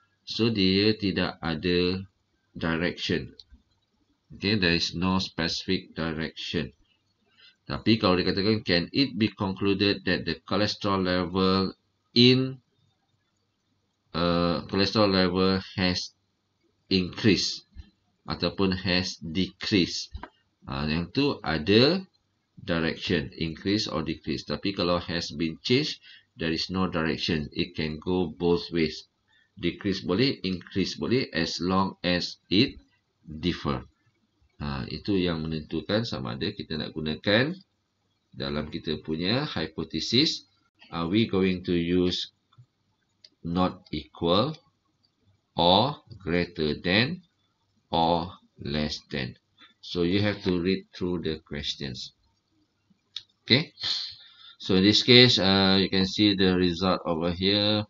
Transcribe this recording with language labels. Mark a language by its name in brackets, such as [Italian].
[Malay] So dia tidak ada direction. [English] Okay, there is no specific direction. [Malay] Tapi kalau dikatakan [English] can it be concluded that the cholesterol level in cholesterol level has increased ataupun has decreased. [Malay] Yang tu ada direction, increase or decrease. Tapi kalau [English] has been changed, there is no direction. It can go both ways. Decrease boleh, increase boleh as long as it differ. [Malay] Itu yang menentukan sama ada kita nak gunakan dalam kita punya hypothesis. [English] Are we going to use not equal or greater than or less than? So you have to read through the questions. Okay, so in this case you can see the result over here.